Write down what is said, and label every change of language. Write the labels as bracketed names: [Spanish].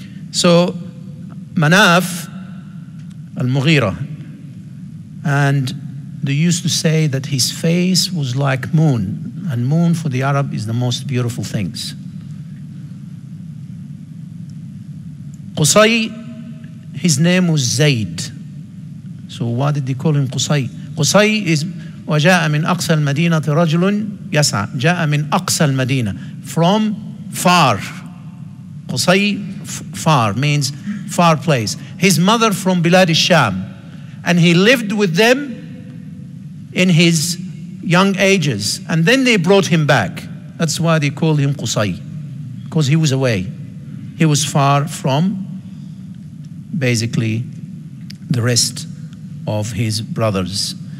[English] So Manaf al-Mughira, and they used to say that his face was like moon, and moon for the Arab is the most beautiful things. Qusay, his name was Zayd. So why did they call him Qusay? Qusay is [Arabic] وَجَاءَ مِنْ أَقْسَى الْمَدِينَةِ رَجُلٌ يَسْعَى. جَاءَ مِنْ أَقْسَى الْمَدِينَةِ, [English] from far. Qusay, far, means far place. His mother from Bilad al-Sham, and he lived with them in his young ages, and then they brought him back. That's why they called him Qusay, because he was away. He was far from basically the rest of his brothers.